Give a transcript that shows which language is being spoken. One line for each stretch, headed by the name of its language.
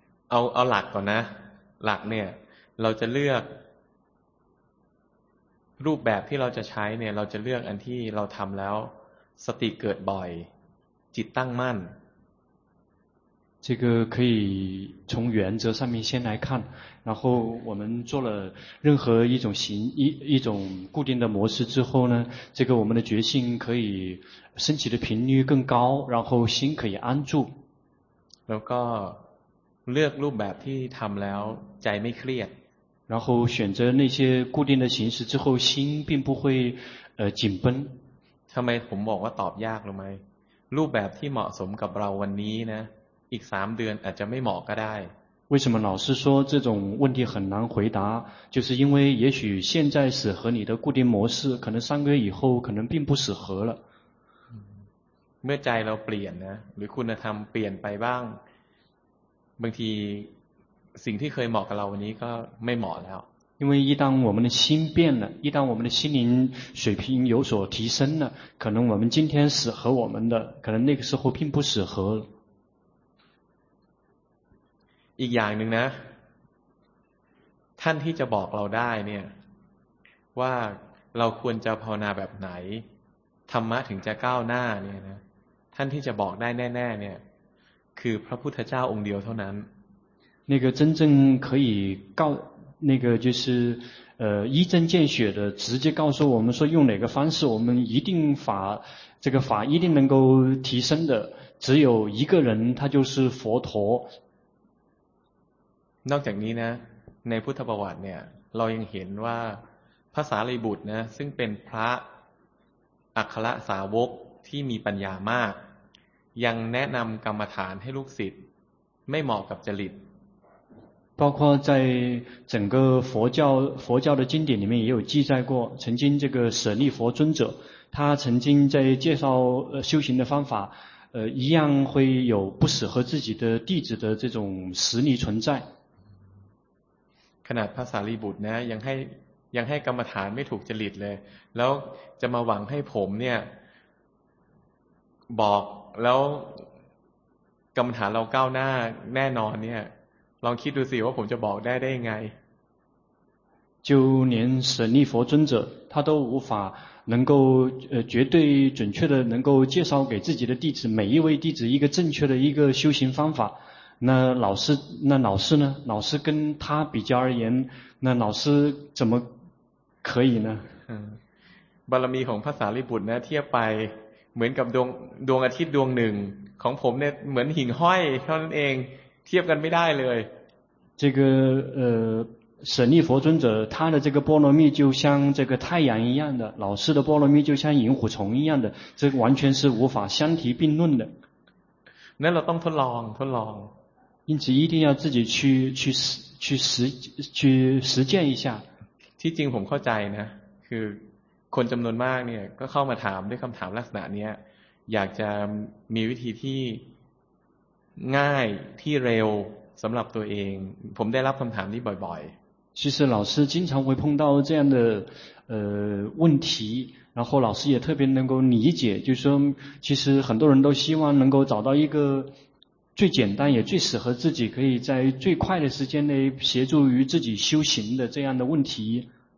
Thai: เอาหลักก่อนนะหลักเนี่ยเราจะเลือกรูปแบบที่เราจะใช้เนี่ยเราจะเลือกอันที่เราทำแล้วสติเกิดบ่อยจิตตั้งมั่น
Chinese: 这个可以从原则上面先来看然后我们做了任何一种形 一种固定的模式之后呢这个我们的决心可以升起的频率更高然后心可以安住
Thai: แล้วก็เลือกรูปแบบที่ทำแล้วใจไม่เครียด
Chinese: 然后选择那些固定的形式之后心并不会紧绷
Thai: ทำไมผมบอกว่าตอบยากรู้ไหมรูปแบบที่เหมาะสมกับเราวันนี้นะอีก3เดือนอาจจะไม่เหมาะก็ได้
Chinese: 为什么老师说这种问题很难回答就是因为也许现在适合你的固定模式可能三个月以后可能并不适合了
Thai: เมื่อใจเราเปลี่ยนนะหรือคุณธรรมเปลี่ยนไปบ้างบางทีสิ่งที่เคยเหมาะกับเราวันนี้ก็ไม่เหมาะแล้ว
Chinese: 因为一旦我们的心变了一旦我们的心灵水平有所提升了可能我们今天适合我们的可能那个时候并不适合
Thai: อีกอย่างหนึ่งนะท่านที่จะบอกเราได้เนี่ยว่าเราควรจะภาวนาแบบไหนธรรมะถึงจะก้าวหน้าเนี่ยนะท่านที่จะบอกได้แน่ๆเนี่ยคือพระพุทธเจ้าองค์เดียวเท่านั้น
Chinese: 那个真正可以告那个就是一针见血的直接告诉我们说用哪个方式我们一定法这个法一定能够提升的只有一个人他就是佛陀
Thai: นอกจากนี้นะในพุทธประวัติเนี่ยเรายังเห็นว่าพระสารีบุตรนะซึ่งเป็นพระอัครสาวกที่มีปัญญามากยังแนะนำกรรมฐานให้ลูกศิษย์ไม่เหมาะกับจริต
Chinese: 包括在整个佛教的经典里面也有记载过曾经这个舍利佛尊者他曾经在介绍修行的方法一样会有不适合自己的弟子的这种实力存在
Thai: ขนาดพระสารีบุตรนะยังให้กรรมฐานไม่ถูกจริตเลยแล้วจะมาหวังให้ผมเนี่ยบอกแล้วกรรมฐานเราก้าวหน้าแน่นอนเนี่ยลองคิดดูสิว่าผมจะบอกได้ยังไง
Chinese: 就连舍利佛尊者他都无法能够绝对准确的能够介绍给自己的弟子每一位弟子一个正确的一个修行方法那老师呢老师跟他比较而言那老师怎么可以呢
Thai: บารมีของพระสารีบุตรนะเทียบไปเหมือนกับดวงอาทิตย์ดวงหนึ่งของผมเนี่ยเหมือนหิ่งห้อยเท่านั้นเองเทียบกันไม่ได้เลย
Chinese: 这个舍利佛尊者他的这个波罗蜜就像这个太阳一样的老师的波罗蜜就像萤火虫一样的这完全是无法相提并论的
Thai: 那เราต้องทดลอง
Chinese: 因此一定要自己去实践一下
Thai: ที่จริงผมเข้าใจนะคือคนจำนวนมากเนี่ยก็เข้ามาถามด้วยคำถามลักษณะเนี้ยอยากจะมีวิธีที่ง่ายที่เร็วสำหรับตัวเองผมได้รับคำถามนี้บ่อย
Chinese: ๆ其实老师经常会碰到这样的问题然后老师也特别能够理解就是说其实很多人都希望能够找到一个最简单也最适合自己可以在最快的时间内协助于自己修行的这样的问题